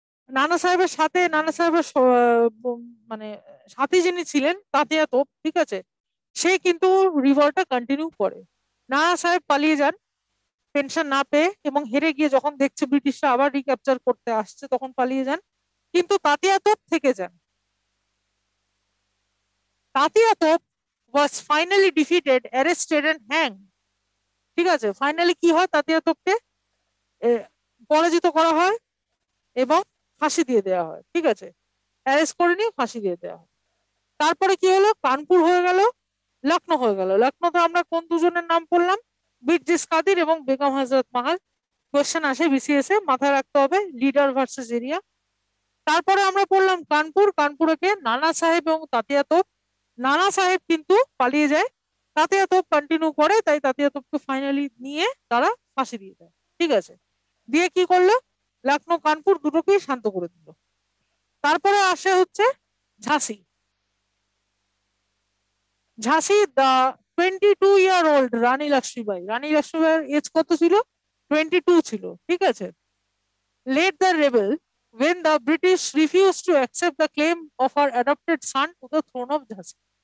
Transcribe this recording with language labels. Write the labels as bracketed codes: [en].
[bn] নানা সাহেবের সাথে, নানা সাহেবের মানে সাথী যিনি ছিলেন তাতিয়া তোপ, ঠিক আছে, সে কিন্তু রিভল্টটা কন্টিনিউ করে। নানা সাহেব পালিয়ে যান পেনশন না পেয়ে, এবং হেরে গিয়ে যখন দেখছে ব্রিটিশরা আবার রিক্যাপচার করতে আসছে তখন পালিয়ে যান, কিন্তু তাতিয়া তোপ থেকে যান। [en] Tatya Tope was finally defeated, arrested and hanged, [bn] ঠিক আছে। ফাইনালি কি হয়, তাতিয়া তোপকে পরাজিত করা হয় এবং ফাঁসি দিয়ে দেওয়া হয়, ঠিক আছে, অ্যারেস্ট করে নিয়ে ফাঁসি দিয়ে দেওয়া হয়। তারপরে কি হলো, কানপুর হয়ে গেল, লখনৌ হয়ে গেল। লখনৌতে আমরা কোন দুজনের নাম পড়লাম, বীরজিৎ কাদির এবং বেগম হযরত মহল। কোয়েশ্চেন আসে বিসিএস এ, মাথায় রাখতে হবে লিডার ভার্সেস এরিয়া। তারপরে আমরা পড়লাম কানপুর, কানপুরকে নানা সাহেব এবং তাতিয়া তোপ, নানা সাহেব কিন্তু পালিয়ে যায়, তাতিয়া তোপ কন্টিনিউ করে, তাই তাতিয়া তোপকে ফাইনালি নিয়ে তারা ফাঁসি দিয়ে দেয়, ঠিক আছে। দিয়ে কি করলো, লখনৌ কানপুর দুটোকেই শান্ত করে দিল। তারপরে আসে হচ্ছে ঝাঁসি। [en] ঝাঁসি, the 22-year-old Rani Lakshmibai, [bn] রানী লক্ষ্মীবাঈর এজ কত ছিল, 22 ছিল, ঠিক আছে, [en] Led the rebel when the British refused to accept the claim of her adopted son to the throne of Jhansi.